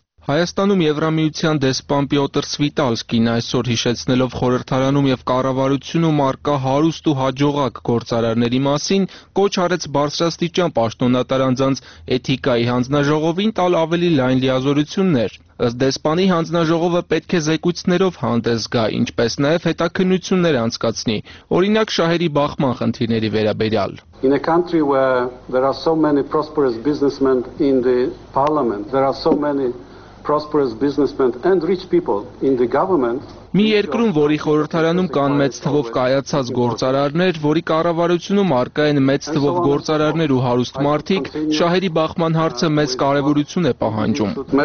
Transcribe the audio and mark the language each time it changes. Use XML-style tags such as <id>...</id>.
<hy>Հայաստանում Եվրամիության դեսպան Պյոտր Սվիտալսկին այսօր հիշեցնելով խորհրդարանում եւ կառավարությունում առկա հարուստ ու հաջողակ գործարարների մասին, կոչ արեց բարձրաստիճան պաշտոնատար անձանց էթիկայի հանձնաժողովին տալ ավելի լայն լիազորություններ։ Ըստ դեսպանի, հանձնաժողովը պետք է զեկույցներով հանդես գա, ինչպես նաեւ հետաքննություններ անցկացնի, օրինակ շահերի բախման խնդիրների վերաբերյալ։</hy> <en>In a country where there are so many prosperous businessmen in the parliament, there are so many prosperous businessmen and rich people in the government.</en> <hy>Մի երկրում, որի խորհրդարանում կան մեծ թվով կայացած գործարարներ, որի կառավարությունում առկային մեծ թվով գործարարներ ու հարուստ մարդիկ, շահերի բախման հարցը մեծ կարևորություն է պահանջում.</hy>